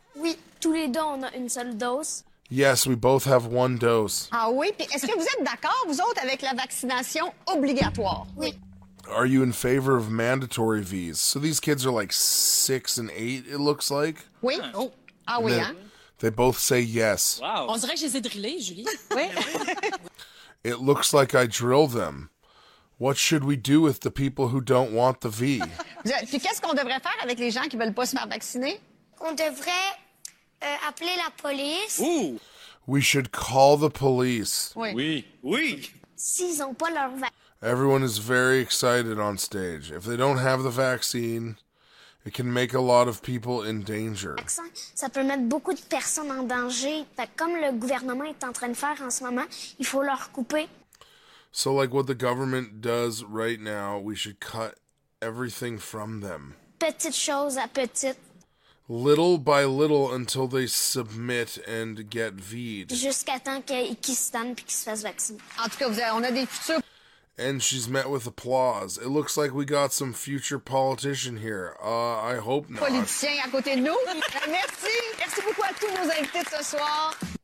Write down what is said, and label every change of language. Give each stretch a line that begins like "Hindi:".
French: Oui, tous les deux, on a une seule dose.
English: Yes, we both have one dose.
French: Ah oui, puis est-ce que vous êtes d'accord, vous autres, avec la vaccination obligatoire? Oui.
English: Are you in favor of mandatory Vs? So these kids are like 6 and 8, it looks like.
French: Oui. Oh. Ah oui, hein?
English: They both say yes. Wow.
French: On dirait que je les ai drillés, Julie. Oui.
English: It looks like I drill them. What should we do with the people who don't want the V?
French: Puis qu'est-ce qu'on devrait faire avec les gens qui veulent pas se faire vacciner? On devrait appeler la police. Ooh.
English: We should call the police.
French: Oui. Oui. S'ils ont pas leur vaccin.
English: Everyone is very excited on stage. If they don't have the vaccine, it can make a lot of people in danger.
French: Ça peut mettre beaucoup de personnes en danger. Fait comme le gouvernement est en train de faire en ce moment, il faut leur couper.
English: So like what the government does right now, we should cut everything from them.
French: Petite chose à petite.
English: Little by little until they submit and get V'd.
French: Jusqu'à temps qu'ils se donnent puis qu'ils se fassent vacciner. En tout cas, on a des futurs.
English: And she's met with applause. It looks like we got some future politician here. I hope not.
French: Politicien à côté de nous. Merci. Merci beaucoup à tous nos invités ce soir.